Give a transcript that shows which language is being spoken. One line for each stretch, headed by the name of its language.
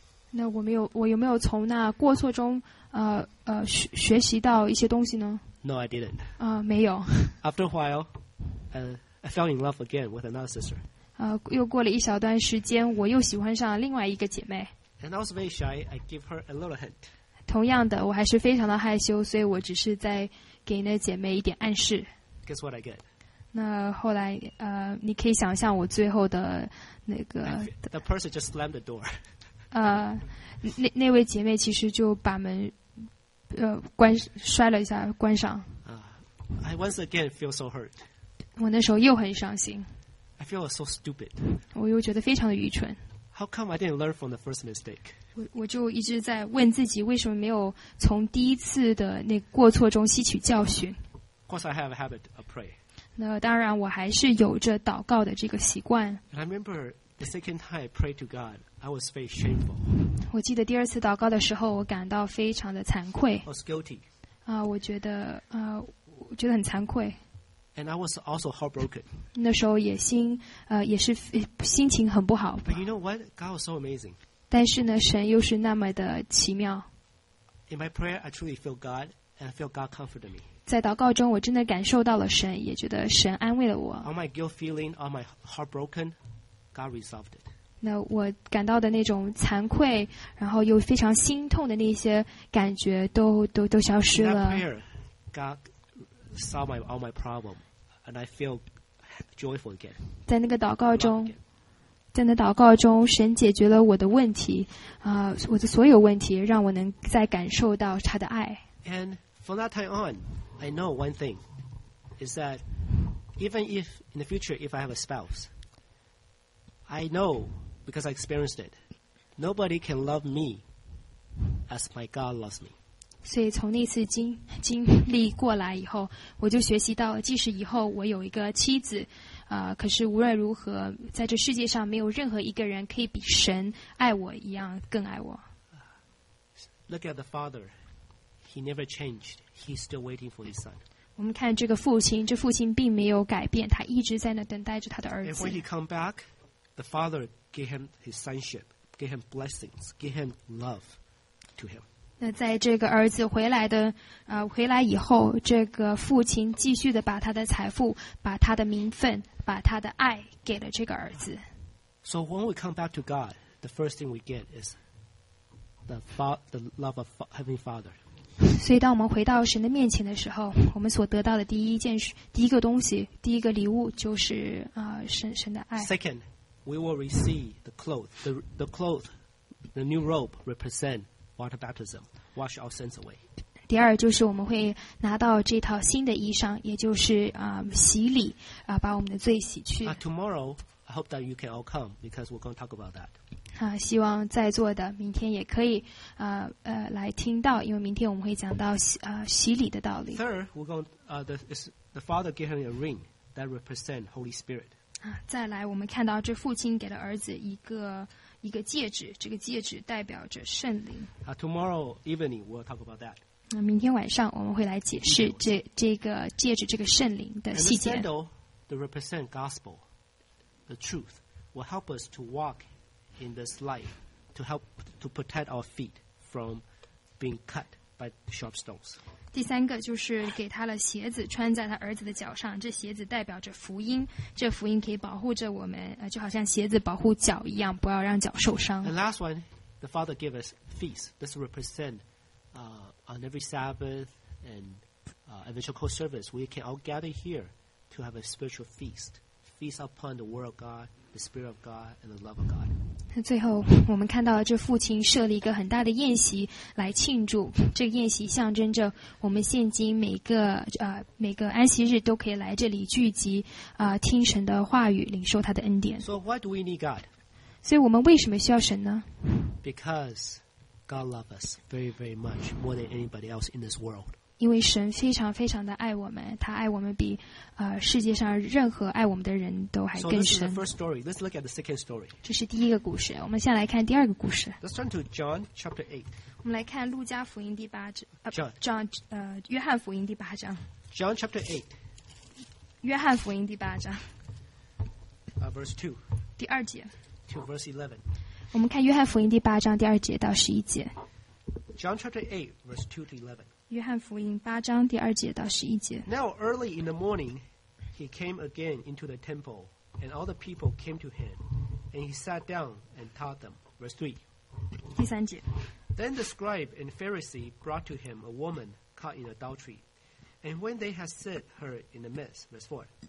Chinese: 那我有没有从那过错中学习到一些东西呢
English: ？No, I didn't.
Chinese: 没有。
English: After a while, I fell in love again with another sister.
Chinese: 又过了一小段时间，我又喜欢上另外一个姐妹。
English: And I was very shy. I give her a little hint.
Chinese: 同样的，我还是非常的害羞，所以我只是在给那姐妹一点暗示。
English: Guess what I get?
Chinese: 那后来，你可以想象我最后的那个。
English: The person just slammed the door.
Chinese: 那位姐妹其实就把门摔了一下，关上。
English: I once again feel so hurt.
Chinese: 我那时候又很伤心。
English: I feel so stupid.
Chinese: 我又觉得非常的愚蠢。
English: How come I didn't learn from the first mistake?
Chinese: 我就一直在问自己，为什么没有从第一次的那过错中吸取教训。
English: Of course, I have a habit of pray.
Chinese: 那当然，我还是有着祷告的这个习惯。
English: And I remember the second time I prayed to God, I was very shameful.
Chinese: 我记得第二次祷告的时候，我感到非常的惭愧。
English: I was guilty.
Chinese: 我觉得很惭愧。
English: And I was also heartbroken.
Chinese: 那时候也心也是心情很不好。
English: But you know what? God was so amazing.
Chinese: 但是呢，神又是那么的奇妙。
English: In my prayer, I truly feel God, and I feel God comforted me.
Chinese: 在祷告中，我真的感受到了神，也觉得神安慰了我。
English: All my guilt feeling, all my heartbroken, God resolved it.
Chinese: 那我感到的那种惭愧，然后又非常心痛的那些感觉，都消失了。
English: In that prayer, God. Solve my all my problem, and I feel joyful again.
Chinese: 在那个祷告中，在那祷告中，神解决了我的问题，我的所有问题，让我能再感受到他的爱。
English: And from that time on, I know one thing is that even if in the future if I have a spouse, I know because I experienced it, nobody can love me as my God loves me.
Chinese: 所以从那次经历过来以后，我就学习到了，即使以后我有一个妻子，可是无论如何，在这世界上没有任何一个人可以比神爱我一样更爱我。
English: Look at the father, he never changed. He's still waiting for his son.
Chinese: 我们看这个父亲，这父亲并没有改变，他一直在那等待着他的儿子。
English: And when he come back, the father gave him his sonship, gave him blessings, gave him love to him.
Chinese: 那在这个儿子回来的回来以后，这个父亲继续的把他的财富，把他的名分，把他的爱给了这个儿子。
English: So when we come back to God, the first thing we get is the love of Heavenly Father.
Chinese: 所以当我们回到神的面前的时候，我们所得到的第一个东西，第一个礼物就是神的爱。
English: Second, we will receive the cloth. The new robe represent. Water baptism, wash our sins away.
Chinese: 第二就是我们会拿到这套新的衣裳，也就是洗礼啊，把我们的罪洗去。
English: Tomorrow, I hope that you can all come because we're going to talk about that.
Chinese: 希望在座的明天也可以来听到，因为明天我们会讲到洗礼的道理。
English: Third, we're going the father gave him a ring that represent Holy Spirit.
Chinese: 再来，我们看到这父亲给了儿子一个戒指，这个戒指代表着圣灵。
English: Tomorrow evening we'll talk about that.
Chinese: 那明天晚上我们会来解释这个戒指，这个圣灵的细节。
English: And the sandal that represent gospel, the truth, will help us to walk in this life, to help to protect our feet from being cut by sharp stones.
Chinese: 第三个就是给他了鞋子，穿在他儿子的脚上。这鞋子代表着福音，这福音可以保护着我们，就好像鞋子保护脚一样，不要让脚受伤。
English: And last one, the Father gave us feast. This represent, on every Sabbath and evangelical service, we can all gather here to have a spiritual feast, feast upon the word of God, the Spirit of God, and the love of God.
Chinese: 那最后我们看到了这父亲设立一个很大的宴席来庆祝，这个宴席象征着我们现今每个安息日都可以来这里聚集，听神的话语，领受他的恩典。
English: So why do we need God?
Chinese: 所以我们为什么需要神呢？
English: Because God loves us very very much more than anybody else in this world.
Chinese: 因为神非常非常的爱我们，他爱我们比世界上任何爱我们的人都还更深。
English: So this is the first story. Let's look at the second story.
Chinese: 这是第一个故事，我们先来看第二个故事。
English: Let's turn to John chapter 8.
Chinese: 我们来看路加福音第八章。约翰福音第八章。
English: John chapter 8.
Chinese: 约翰福音第八章。
English: Verse 2.
Chinese: 第二节。
English: To verse 11.
Chinese: 我们看约翰福音第八章第二节到十一节。
English: John chapter 8, verse 2 to 11.
Chinese: 约翰福音八章第二节到十一节。
English: Now early in the morning, he came again into the temple, and all the people came to him, and he sat down and taught them. Verse 3.
Chinese: 第三节。
English: Then the scribe and Pharisee brought to him a woman caught in adultery, and when they had set her in the midst, verse 4.